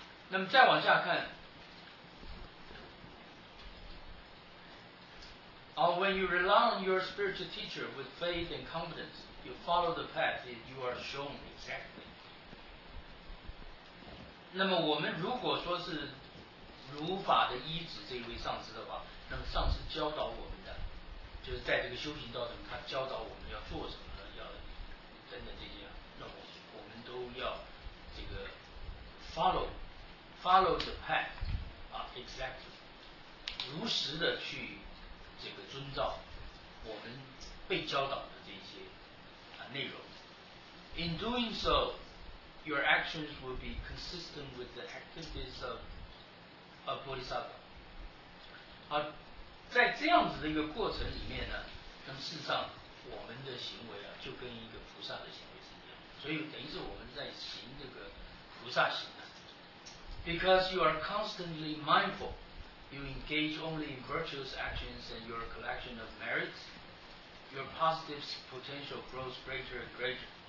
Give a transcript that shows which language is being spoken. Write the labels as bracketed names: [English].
[Chinese] 那么再往下看， [English] When you rely on your spiritual teacher with faith and confidence, you follow the path that you are shown exactly. [Chinese] 那么我们如果说是如法的依止这位上师的话，那么上师教导我们的，就是在这个修行道中，他教导我们要做什么，要等等这些。都要这个 [English] follow the path [Chinese] 啊 ， [English] exactly [Chinese] 如实的去这个遵照我们被教导的这些内容。 [English] In doing so, your actions will be consistent with the activities of a bodhisattva。 [Chinese] 好，在这样子的一个过程里面呢，那么事实上我们的行为啊，就跟一个菩萨的行为。所以等于是我们在行这个菩萨行啊。 [English] Because you are constantly mindful, you engage only in virtuous actions and your collection of merits, your positive potential grows greater and greater.